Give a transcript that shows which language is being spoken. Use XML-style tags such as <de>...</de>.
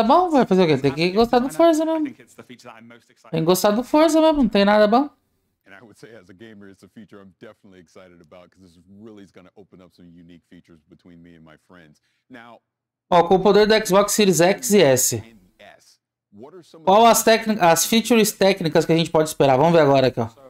<pt>Vai fazer o quê? Tem que gostar do Forza mesmo. Não tem nada bom.</pt> <en>And I would say, as a gamer, it's a feature I'm definitely excited about because this really is going to open up some unique features between me and my friends. Now,</en> <pt>com o poder do Xbox Series X e S. Qual as features técnicas que a gente pode esperar? Vamos ver agora aqui, ó.</pt>